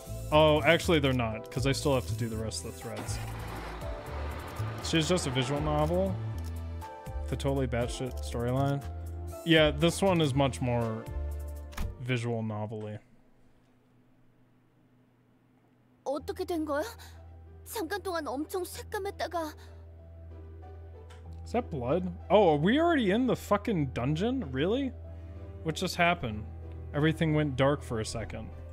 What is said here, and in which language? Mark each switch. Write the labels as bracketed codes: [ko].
[en] Oh, actually they're not, because I still have to do the rest of the threads. She's just a visual novel. The totally batshit storyline. Yeah, this one is much more visual novel-y. [ko] 어떻게 된 거야? 잠깐 동안 엄청 새까맸다가. [en] Is that blood? Oh, are we already in the fucking dungeon? Really? What just happened? Everything went dark for a second.